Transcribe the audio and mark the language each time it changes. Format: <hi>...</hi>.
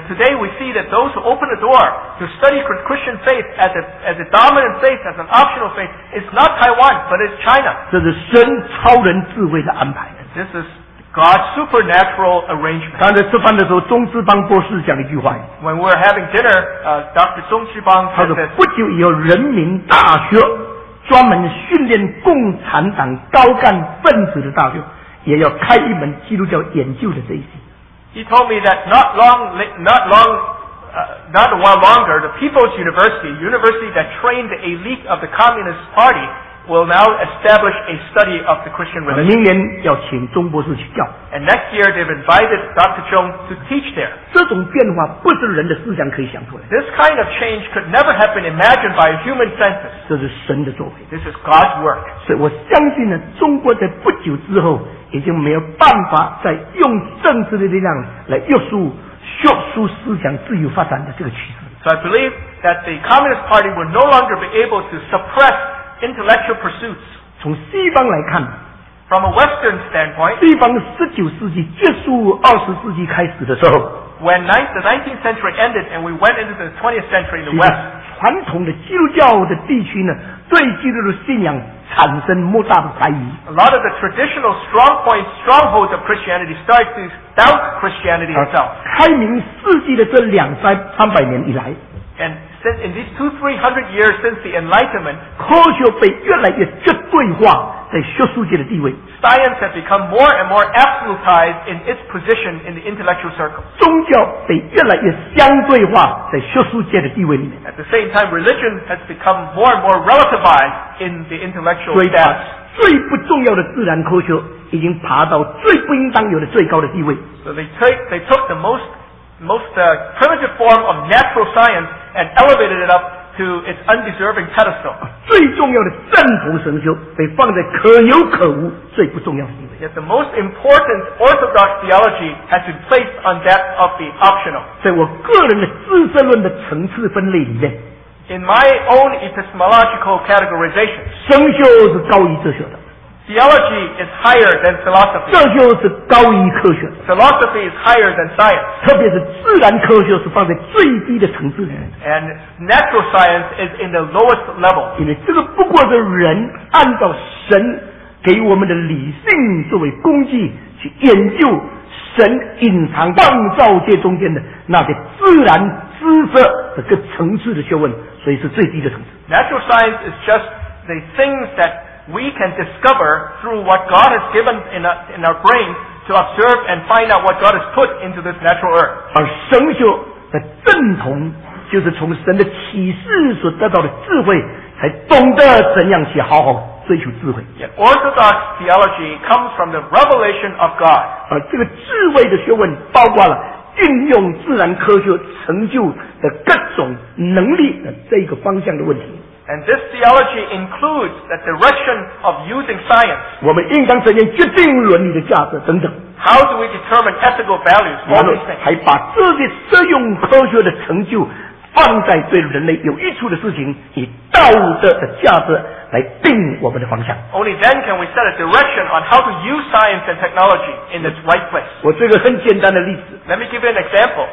<en>Yet today we see that those who open the door to study Christian faith as a dominant faith, as an optional faith, is not Taiwan, but it's China.</en> <zh>这是神超人智慧的安排。</zh> <en>This is God's supernatural arrangement.</en> <zh>刚才吃饭的时候，钟志邦博士讲一句话。</zh> <en>When we're having dinner, Dr.</en> <zh>钟志邦他说，不久以后，人民大学专门训练共产党高干分子的大学，也要开一门基督教研究的这一些。</zh> <en>He told me that not a while longer, the People's University that trained the elite of the Communist Party. Will now establish a study of the Christian religion.</en> <zh>明年要请钟博士去教。</zh> <en>And next year they've invited Dr. Chung to teach there.</en> <zh>这种变化不是人的思想可以想出来。</zh> <en>This kind of change could never have been imagined by a human senses.</en> <zh>这是神的作为。</zh> <en>This is God's work.</en> <zh>所以我相信呢，中国在不久之后已经没有办法再用政治的力量来约束学术思想自由发展的这个趋势。</zh> <en>So I believe that the Communist Party will no longer be able to suppress intellectual pursuits.</en> <zh>从西方来看,</zh> <en>from a Western standpoint,</en> <zh>西方19世纪结束20世纪开始的时候,</zh> <en>when the 19th century ended and we went into the 20th century in the West,</en> <zh>传统的基督教的地区呢对基督的信仰产生莫大的怀疑。</zh> <en>A lot of the traditional strong points, strongholds of Christianity start to doubt Christianity itself.</en> <zh>开明世纪的这两三三百年以来。</zh> <en>And since in these 200-300 years since the Enlightenment,</en> <zh>科学被越来越绝对化在学术界的地位。</zh> <en>Science has become more and more absolutized in its position in the intellectual circle.</en> <zh>宗教被越来越相对化在学术界的地位里面。</zh> <en>At the same time, religion has become more and more relativized in the intellectual status.</en> <zh>最不重要的自然科学已经爬到最不应当有的最高的地位。</zh> <en>So they took the most primitive form of natural science and elevated it up to its undeserving pedestal.</en> <zh>最重要的正统神学被放在可有可无最不重要的地位。</zh> <en>Yet the most important orthodox theology has been placed on that of the optional.</en> <zh>在我个人的知识论的层次分类里面。</zh> <en>In my own epistemological categorization,</en> <zh>神学是高于哲学的。</zh> <en>Theology is higher than philosophy.</en> <zh>这就是高于科学。</zh> <en>Philosophy is higher than science.</en> <zh>特别是自然科学是放在最低的层次。</zh> <en>And natural science is in the lowest level.</en> <zh>因为这个不过是人按照神给我们的理性作为工具去研究神隐藏万造界中间的那些自然知识的各层次的学问，所以是最低的层次。</zh> <en>Natural science is just the things that we can discover through what God has given in our brain to observe and find out what God has put into this natural earth.</en> <zh>而神学的正统就是从神的启示所得到的智慧才懂得怎样去好好追求智慧。</zh> <en>Yet orthodox theology comes from the revelation of God.</en> <zh>而这个智慧的学问包括了运用自然科学成就的各种能力的这个方向的问题。</zh> <en>And this theology includes the direction of using science.</en> <zh>我们应当怎样决定伦理的价值等等。</zh> <en>How do we determine ethical values?</en> <zh>我们还把这些实用科学的成就放在对人类有益处的事情，以道德的价值来定我们的方向。</zh> <en>Only then can we set a direction on how to use science and technology in its right place.</en> <zh>我这个很简单的例子。</zh> <en>Let me give you an example.</en>